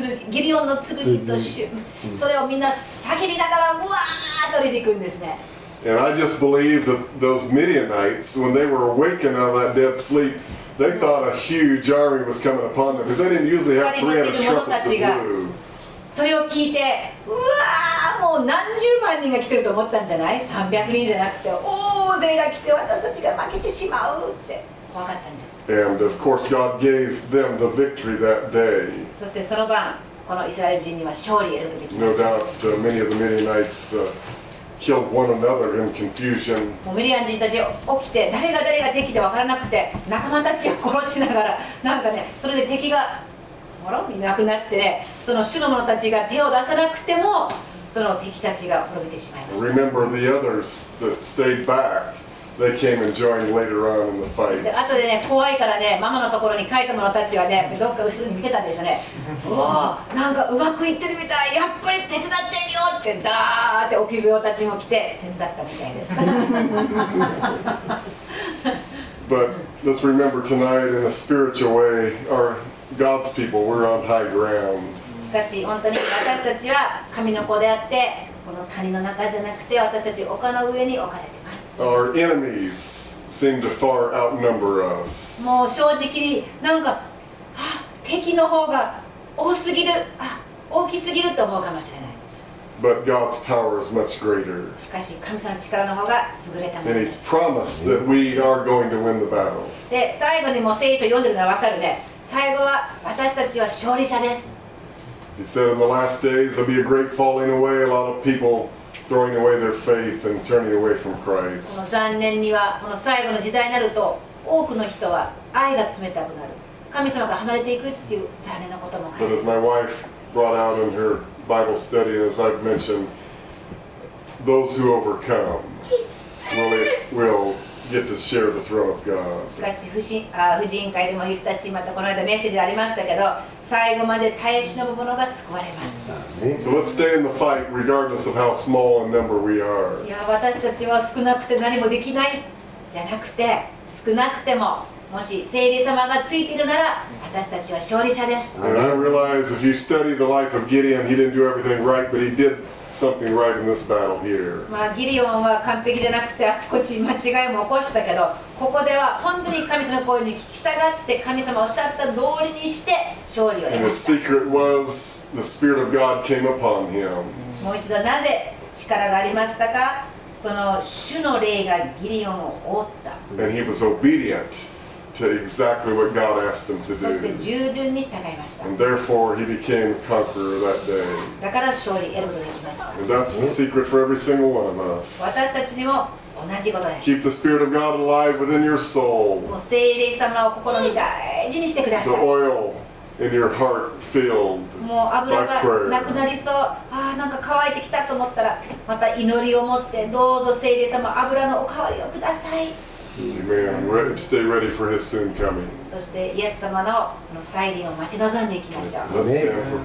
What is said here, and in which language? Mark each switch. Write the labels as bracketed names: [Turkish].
[Japanese] ギリオンの剣と、それをみんな叫びながらうわーっと出ていくんですね。 [English] And I just believe that those Midianites, when they were awakened out of that dead sleep, they thought a huge army was coming upon them, because they didn't usually have 300 trumpets of blue. [Japanese] それを聞いて、うわー、もう何十万人が来てると思ったんじゃない ?300 人じゃなくて、大勢が来て私たちが負けてしまうって怖かったんです。 [English] And of course God gave them the victory that day. [Japanese] そしてその晩、このイスラエル人には勝利を得ることができました。 [English] No doubt, many of the Midianites, killed one another in confusion. [Japanese] ミディアン人たち起きて誰が誰が敵で分からなくて仲間たちを殺しながらなんかねそれで敵がほらいなくなってねその主の者たちが手を出さなくてもその敵たちが滅びてしまいました。 [English] Remember the others that stayed back. They came and joined later on in the fight. [Japanese] あとでね怖いからねママのところに帰った者たちはねどっか後ろに見てたんでしょうね。おおなんかうまくいってるみたいやっぱり手伝ってるよってだーって臆病たちも来て手伝ったみたいです。 [English] But let's remember tonight in a spiritual way, our God's people, we're on high ground. [Japanese] しかし本当に私たちは神の子であってこの谷の中じゃなくて私たち丘の上に置かれてます。 [English] Our enemies seem to far outnumber us. [Japanese] もう正直になんか敵の方が多すぎる、大きすぎると思うかもしれない。 [English] But God's power is much greater. [Japanese] しかし神様の力の方が優れたもの。 [English] And He's promised that we are going to win the battle. [Japanese] で最後にも聖書読んでるのは分かるね。最後は私たちは勝利者です。 [English] He said in the last days there'll be a great falling away, a lot of people throwing away their faith and turning away from Christ. [Japanese] この残念にはこの最後の時代になると多くの人は愛が冷たくなる。 [English] But as my wife brought out in her Bible study, and as I've mentioned, those who overcome will get to share the throne of God. [Japanese] しかし婦人会でも言ったし、またこの間メッセージありましたけど、最後まで耐え忍ぶ者が救われます。 [English] So let's stay in the fight, regardless of how small a number we are. [Japanese] いや、私たちは少なくて何もできないじゃなくて、少なくても。もし聖霊様がついているなら私たちは勝利者です。 [English] And I realize if you study the life of Gideon, he didn't do everything right, but he did something right in this battle here. [Japanese] まあギリオンは完璧じゃなくてあちこち間違いも起こしたけど、ここでは本当に神様の声に聞き従って神様おっしゃった通りにして勝利を得ました。 [English] And the secret was the Spirit of God came upon him. [Japanese] もう一度なぜ力がありましたか？その主の霊がギリオンを覆った。 [English] And he was obedient. To exactly what God asked him to do. [Japanese] そして従順に従いました。 [English] And therefore he became a conqueror that day. [Japanese] だから勝利を得ることができました。 [English] And that's the secret for every single one of us. [Japanese] 私たちにも同じことです。 [English] Keep the Spirit of God alive within your soul. [Japanese] もう聖霊様を心に大事にしてください。 [English] The oil in your heart filled by prayer. [Japanese] もう油がなくなりそう。ああなんか乾いてきたと思ったら、また祈りを持ってどうぞ聖霊様油のお代わりをください。 [English] Amen. Stay ready for His soon coming. [Japanese] そしてイエス様のこの再臨を待ち望んでいきましょう。 [English] Let's stand for prayer.